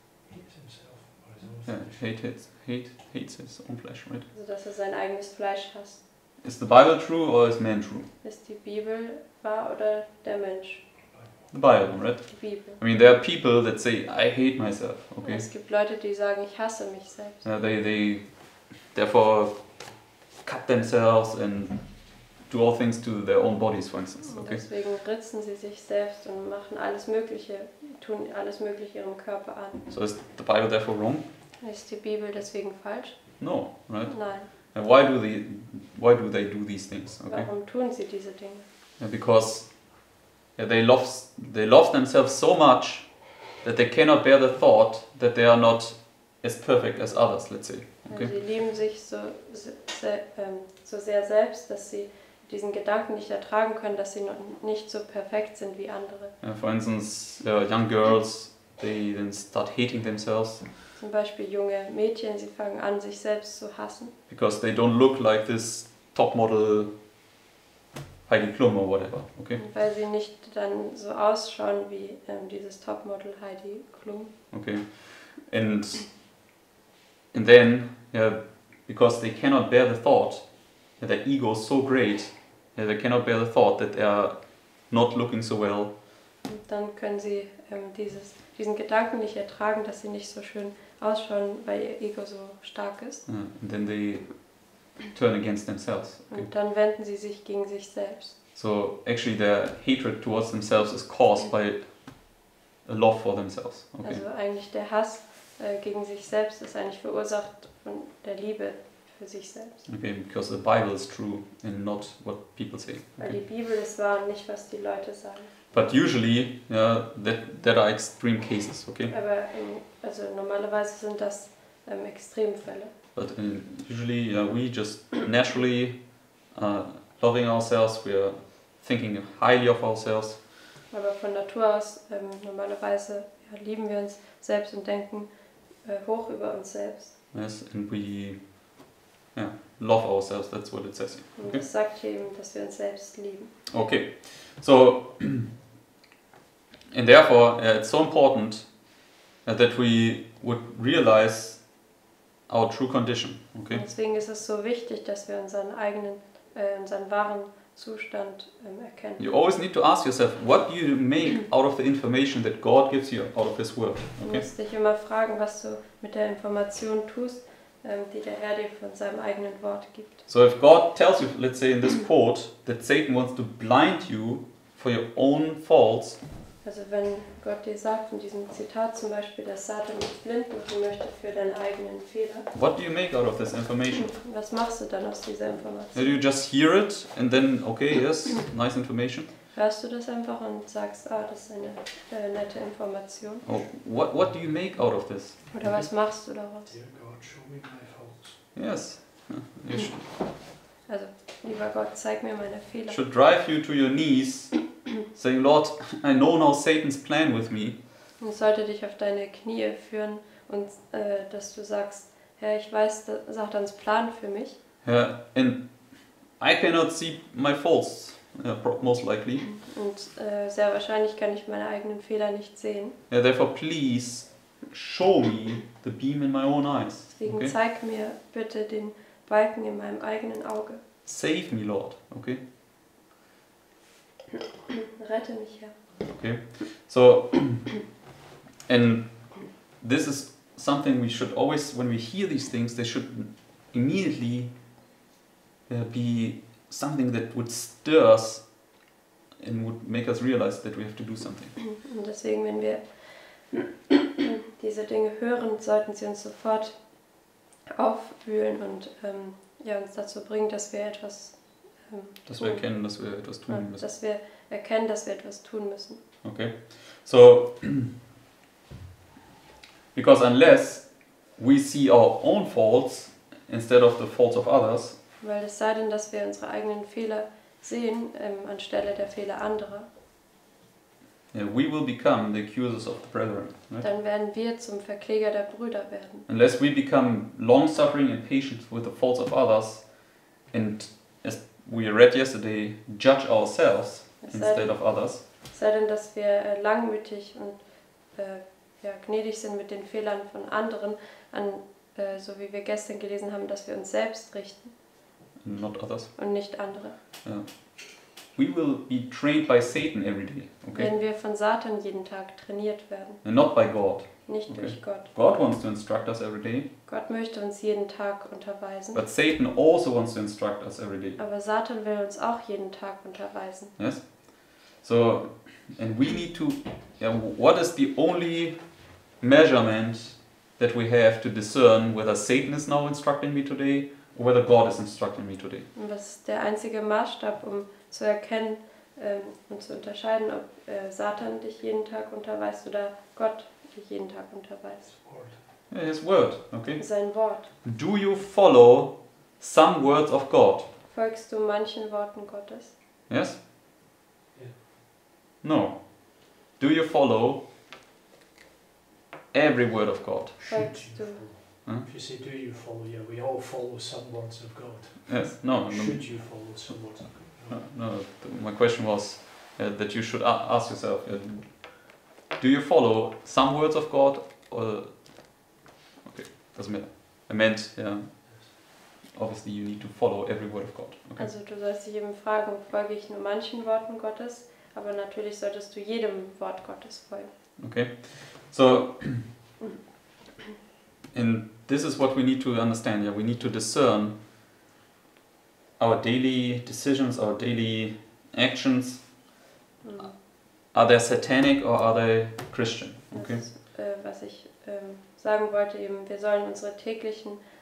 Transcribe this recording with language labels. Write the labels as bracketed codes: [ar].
[en] Hates his own flesh, right? [de] Also dass er sein eigenes Fleisch hasst. [en] Is the Bible true or is man true? [de] Ist die Bibel wahr oder der Mensch? [en] The Bible, right? [de] Die Bibel. [en] I mean, there are people that say I hate myself. Okay. [de] Es gibt Leute, die sagen, ich hasse mich selbst. [en] They therefore cut themselves and do all things to their own bodies, for instance. Okay. [de] Deswegen ritzen sie sich selbst und machen alles Mögliche, tun alles Mögliche ihrem Körper an. [en] So is the Bible therefore wrong? [de] Ist die Bibel deswegen falsch? [en] No, right? [de] Nein. [en] And why do they do these things? Okay. [de] Warum tun sie diese Dinge? [en] Yeah, because they love themselves so much that they cannot bear the thought that they are not as perfect as others. Let's say. Okay. [de] Sie lieben sich so sehr selbst, dass sie diesen Gedanken nicht ertragen können, dass sie nicht so perfekt sind wie andere. [en] Yeah, for instance, young girls, they then start hating themselves. [de] Zum Beispiel junge Mädchen, sie fangen an, sich selbst zu hassen. [en] Because they don't look like this topmodel Heidi Klum or whatever, okay? [de] Und weil sie nicht dann so ausschauen wie dieses Topmodel Heidi Klum. Okay. [en] And then, yeah, because they cannot bear the thought that their ego is so great, yeah, they cannot bear the thought that they are not looking so well. [de] Und dann können sie diesen Gedanken nicht ertragen, dass sie nicht so schön ausschauen, weil ihr Ego so stark ist. [en] And then they turn against themselves. Okay. [de] Und dann wenden sie sich gegen sich selbst. [en] So actually their hatred towards themselves is caused by a love for themselves. Okay. [de] Also eigentlich der Hass gegen sich selbst ist eigentlich verursacht von der Liebe für sich selbst. [en] Okay, because the Bible is true and not what people say. Okay. [de] Weil die Bibel ist wahr und nicht, was die Leute sagen. [en] But usually, yeah, that are extreme cases, okay? [de] Aber also normalerweise sind das Extremfälle. [en] But usually, yeah, we just naturally loving ourselves, we are thinking highly of ourselves. [de] Aber von Natur aus normalerweise ja, lieben wir uns selbst und denken hoch über uns selbst. [en] Yes, and we love ourselves. That's what it says. Okay? [de] Und das sagt hier eben, dass wir uns selbst lieben. Okay, so. [en] And therefore, it's so important that we would realize our true condition. Okay. [de] Deswegen ist es so wichtig, dass wir unseren wahren Zustand erkennen. [en] You always need to ask yourself, what do you make out of the information that God gives you out of His Word? Okay. [de] Du musst dich immer fragen, was du mit der Information tust, die der Herr dir von seinem eigenen Wort gibt. [en] So, if God tells you, let's say in this quote, that Satan wants to blind you for your own faults. [de] Also wenn Gott dir sagt in diesem Zitat zum Beispiel, dass Satan dich blind machen möchte für deinen eigenen Fehler. [en] What do you make out of this information? [de] Was machst du dann aus dieser Information? [en] Do you just hear it and then okay, yes, nice information? [de] Hörst du das einfach und sagst, ah, das ist eine nette Information? [en] Oh, what do you make out of this? [de] Oder was machst du daraus? [en] Dear God, show me my faults. Yes. [de] Also, lieber Gott, zeig mir meine Fehler. [en] Should drive you to your knees. Saying, Lord, I know now Satan's plan with me. [de] Und sollte dich auf deine Knie führen und dass du sagst, Herr, ich weiß Satans Plan für mich. [en] Yeah, and I cannot see my faults, most likely. [de] Und sehr wahrscheinlich kann ich meine eigenen Fehler nicht sehen. [en] Yeah, therefore, please show me the beam in my own eyes. [de] Deswegen okay? Zeig mir bitte den Balken in meinem eigenen Auge. [en] Save me, Lord, okay? [de] Rette mich, ja. [en] Okay, so, and this is something we should always, when we hear these things, they should immediately be something that would stir us and would make us realize that we have to do something. [de] Und deswegen, wenn wir diese Dinge hören, sollten sie uns sofort aufwühlen und uns dazu bringen, dass wir etwas tun. Dass wir erkennen, dass wir etwas tun müssen. Dass wir erkennen, dass wir etwas tun müssen. Okay. [en] So, because unless we see our own faults instead of the faults of others. [de] Weil es sei denn, dass wir unsere eigenen Fehler sehen anstelle der Fehler anderer. [en] Yeah, we will become the accusers of the brethren. Right? [de] Dann werden wir zum Verkläger der Brüder werden. [en] Unless we become long-suffering and patient with the faults of others, and as we read yesterday, judge ourselves instead of others. [de] Es sei denn, dass wir langmütig und gnädig sind mit den Fehlern von anderen, so wie wir gestern gelesen haben, dass wir uns selbst richten. [en] Not others. [de] Und nicht andere. [en] Yeah. We will be trained by Satan every day. Okay? [de] Wenn wir von Satan jeden Tag trainiert werden. [en] And not by God. [de] Nicht okay. durch Gott. [en] God wants to instruct us every day. [de] Gott möchte uns jeden Tag unterweisen. [en] But Satan also wants to instruct us every day. [de] Aber Satan will uns auch jeden Tag unterweisen. [en] Yes. So, and we need to. Yeah, what is the only measurement that we have to discern whether Satan is now instructing me today? Whether God is instructing me today. [de] Was ist der einzige Maßstab, um zu erkennen und zu unterscheiden, ob Satan dich jeden Tag unterweist oder Gott dich jeden Tag unterweist? [en] His word. His word. Okay. [de] Sein Wort. [en] Do you follow some words of God? [de] Folgst du manchen Worten Gottes? [en] Yes. Yeah. No. Do you follow every word of God? [de] Folgst du? [en] If you say, do you follow? Yeah, we all follow some words of God. Yes, no. Should you follow some words of God? No, no. My question was that you should ask yourself, do you follow some words of God? Or, okay, doesn't matter. I meant, yeah. Obviously, you need to follow every word of God. Okay. [de] Also, du sollst dich eben fragen, folge ich nur manchen Worten Gottes? Aber natürlich solltest du jedem Wort Gottes folgen. Okay, so... [en] And this is what we need to understand. Yeah, we need to discern our daily decisions, our daily actions. Are they satanic or are they Christian? Okay. [de] Das ist, was ich sagen wollte, eben wir sollen unsere täglichen